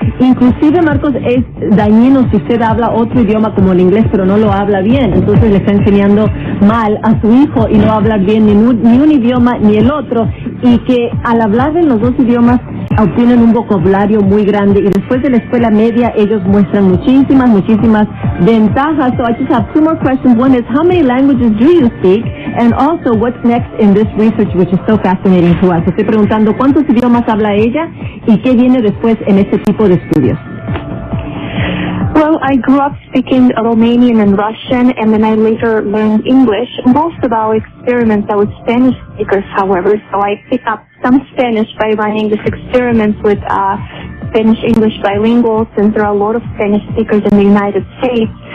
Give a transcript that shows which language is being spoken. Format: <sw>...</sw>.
<es>Inclusive, Marcos, es dañino si usted habla otro idioma como el inglés, pero no lo habla bien. Entonces le está enseñando mal a su hijo y no habla bien ni un idioma ni el otro. Y que al hablar en los dos idiomas obtienen un vocabulario muy grande y después de la escuela media ellos muestran muchísimas, muchísimas ventajas.</es> <en>So I just have two more questions. One is, how many languages do you speak? And also, what's next in this research, which is so fascinating to us?</en> <es>Estoy preguntando, ¿cuántos idiomas habla ella y qué viene después en este tipo de estudios?</es> <en>Well, I grew up speaking Romanian and Russian, and then I later learned English. Most of our experiments are with Spanish speakers, however, so I pick up some Spanish by running this experiment with Spanish-English bilinguals, since there are a lot of Spanish speakers in the United States.</en>